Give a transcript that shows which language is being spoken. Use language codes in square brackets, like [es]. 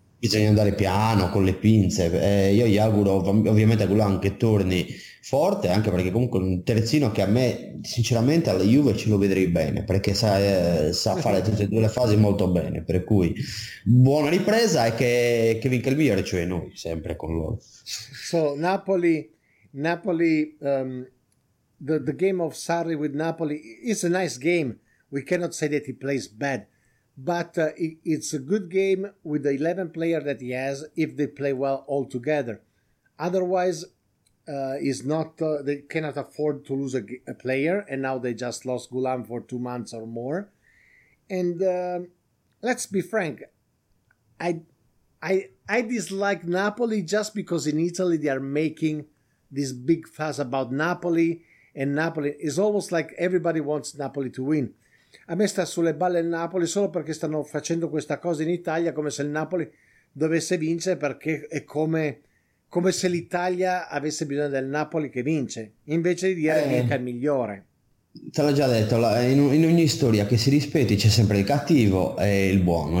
[it] Bisogna andare piano, con le pinze. Io gli auguro, ovviamente, a Gullan che torni forte, anche perché comunque un terzino che a me, sinceramente, alla Juve ce lo vedrei bene, perché sa fare tutte e due le fasi molto bene. Per cui, buona ripresa e che vinca il migliore, cioè noi, sempre con loro. [en] So, Napoli, the game of Sarri with Napoli is a nice game. We cannot say that he plays bad. But it's a good game with the 11 players that he has if they play well all together. Otherwise, is not they cannot afford to lose a player, and now they just lost Gullan for 2 months or more. And let's be frank, I dislike Napoli just because in Italy they are making this big fuss about Napoli, and Napoli is almost like everybody wants Napoli to win. [it] A me sta sulle balle il Napoli solo perché stanno facendo questa cosa in Italia, come se il Napoli dovesse vincere, perché è come se l'Italia avesse bisogno del Napoli che vince, invece di dire che è migliore. Te l'ho già detto, in ogni storia che si rispetti c'è sempre il cattivo e il buono.